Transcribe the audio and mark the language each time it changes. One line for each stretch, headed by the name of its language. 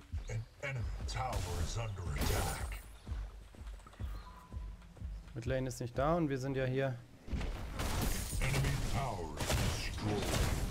English: An enemy tower is under attack.
German: Midlane ist nicht da und wir sind ja hier.
English: Enemy tower is destroyed.